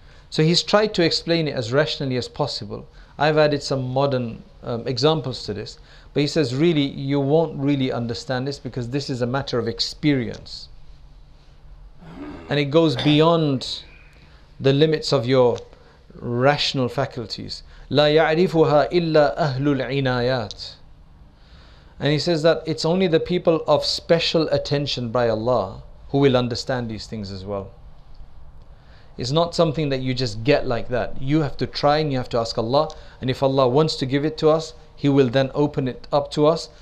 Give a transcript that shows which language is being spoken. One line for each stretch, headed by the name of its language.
English: So he's tried to explain it as rationally as possible. I've added some modern examples to this. But he says, really, you won't really understand this because this is a matter of experience. And it goes beyond the limits of your rational faculties.
Arabic: لا يعرفها إلا أهل العنايات.
English: And he says that it's only the people of special attention by Allah who will understand these things as well. It's not something that you just get like that. You have to try and you have to ask Allah. And if Allah wants to give it to us, He will then open it up to us.